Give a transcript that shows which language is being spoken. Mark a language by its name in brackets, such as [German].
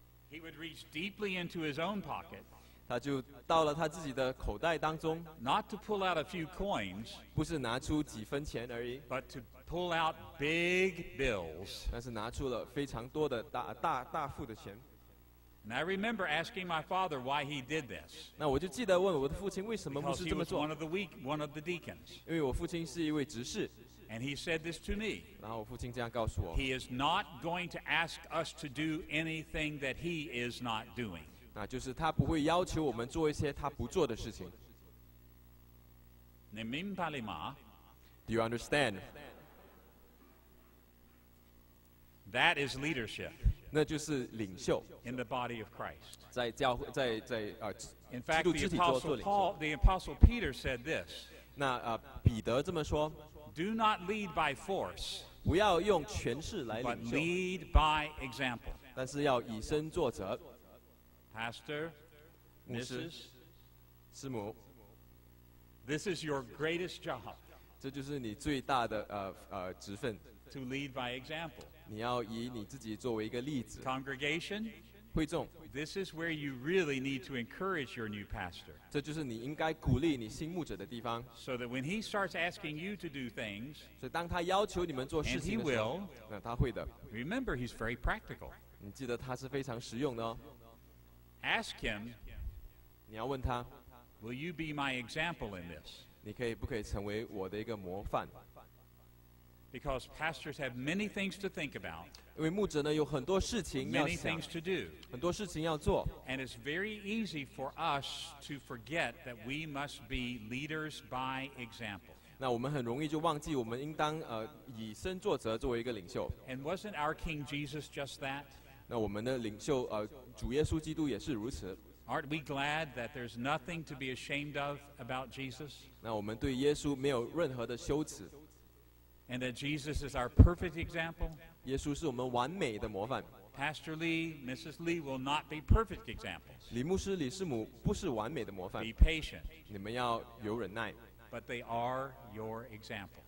[English] He would reach deeply into his own pocket. [Chinese] 他就到了他自己的口袋当中, [English] not to pull out a few coins, [Chinese] 不是拿出几分钱而已, [English] but to pull out big bills. [Chinese] 但是拿出了非常多的大大大副的钱。 [English] And I remember asking my father why he did this. [Chinese] 那我就记得问我的父亲为什么牧师这么做。 [English] Because he was one of the deacons. [Chinese] 因为我父亲是一位执事。 [English] And he said this to me. [Chinese] 然后我父亲这样告诉我, [English] he is not going to ask us to do anything that he is not doing. [Chinese] 那就是他不会要求我们做一些他不做的事情。你明白吗? [English] Do you understand? That is leadership. [Chinese] 那就是领袖, [English] in the body of Christ. [Chinese] 在教会，在 [English] In fact, the Apostle Peter said this. [Chinese] 那彼得这么说, [English] Do not lead by force, [Chinese] 不要用权势来领袖, [English] but lead by example. [Chinese] 但是要以身作则, [English] Pastor, [Chinese] 牧师, [English] Mrs. [Chinese] 师母, [English] this is your greatest job. [Chinese] 这就是你最大的, 职分, [English] to lead by example. [Chinese] 你要以你自己作为一个例子, [English] Congregation, [Chinese] 会众, [English] this is where you really need to encourage your new pastor. [Chinese] 这就是你应该鼓励你新牧者的地方。 [English] So that when he starts asking you to do things, [Chinese] 所以当他要求你们做事情的时候, [English] and he will, [Chinese] 那他会的, [English] remember he's very practical. [Chinese] 你记得他是非常实用的哦。 [English] Ask him, [Chinese] 你要问他, [English] will you be my example in this? [Chinese] 你可以不可以成为我的一个模范? [English] Because pastors have many things to think about, [Chinese] 因为牧者呢,有很多事情要想, [English] many things to do, [Chinese] 很多事情要做, [English] and it's very easy for us to forget that we must be leaders by example. [Chinese] 那我们很容易就忘记我们应当, 以身作则作为一个领袖。 [English] And wasn't our King Jesus just that? [Chinese] 那我们的领袖, 主耶稣基督也是如此。 [English] Aren't we glad that there's nothing to be ashamed of about Jesus? [Chinese] 那我们对耶稣没有任何的羞耻。 [English] And that Jesus is our perfect example. [Chinese] 耶稣是我们完美的模范。 [English] Pastor Lee, Mrs. Lee will not be perfect examples. [Chinese] 李牧师、李师母不是完美的模范。 [English] Be patient. [Chinese] 你们要有忍耐。 [English] But they are your examples.